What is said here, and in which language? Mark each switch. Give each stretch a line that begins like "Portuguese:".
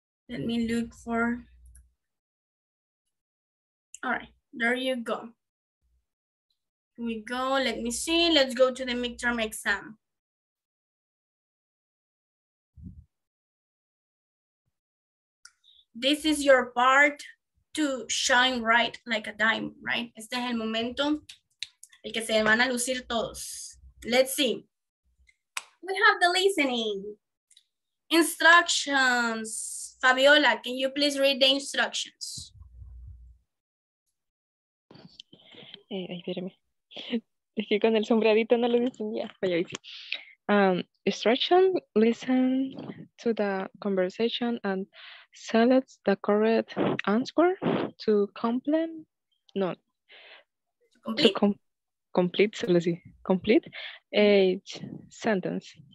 English: Let me look for, all right, there you go. Here we go, let me see, let's go to the midterm exam. This is your part to shine bright like a diamond, right?
Spanish: Este es el momento el que se van a lucir todos.
English: Let's see. We have the listening. Instructions. Fabiola, can you please read the instructions?
Spanish: Ay, espérame. Es que con el sombrerito no lo distinguía. Vaya, ahí sí.
English: Instruction, listen to the conversation and select the correct answer to complete, no, complete. To complete, so let's see, complete a sentence.